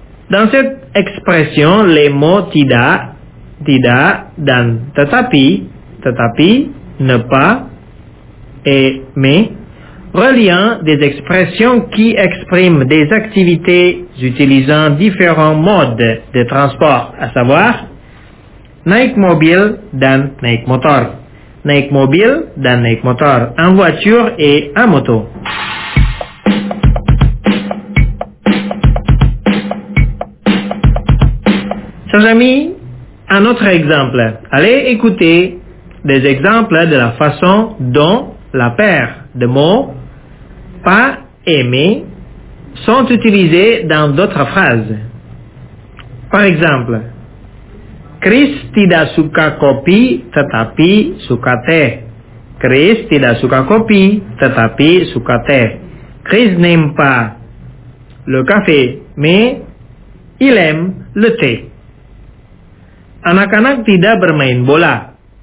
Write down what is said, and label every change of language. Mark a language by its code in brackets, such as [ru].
[fr] Dans cette expression, les mots [id] tidak, tidak, dan tetapi, tetapi, [fr] ne pas, et mais, reliant des expressions qui expriment des activités utilisant différents modes de transport, à savoir [id] naik mobil dan naik motor. Naik mobil dan naik motor. [fr] En voiture et en moto. Chers amis, un autre exemple. Allez écouter des exemples de la façon dont la paire de mots pas aimer sont utilisés dans d'autres phrases. Par exemple, [id] Chris tidak suka kopi, tetapi suka teh. Chris tidak suka kopi, tetapi suka teh. [fr] Chris n'aime pas le café, mais il aime le thé. [id] Anak-anak tidak bermain bola.